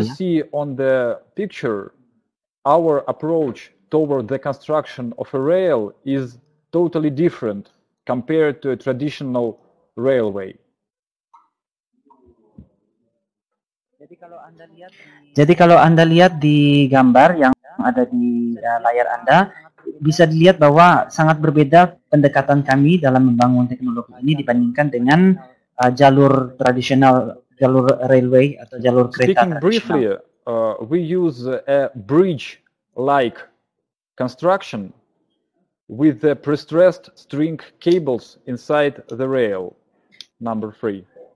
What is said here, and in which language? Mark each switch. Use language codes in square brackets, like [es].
[en] As you see on the picture, our approach toward the construction of a rail is totally different compared to a traditional railway. [id] Jadi kalau Anda lihat di gambar yang ada di layar Anda, bisa dilihat bahwa sangat berbeda pendekatan kami dalam membangun teknologi ini dibandingkan dengan jalur tradisional, jalur railway atau jalur kereta. [en] Speaking briefly, we use a bridge-like construction with the pre-stressed string cables inside the rail, number three.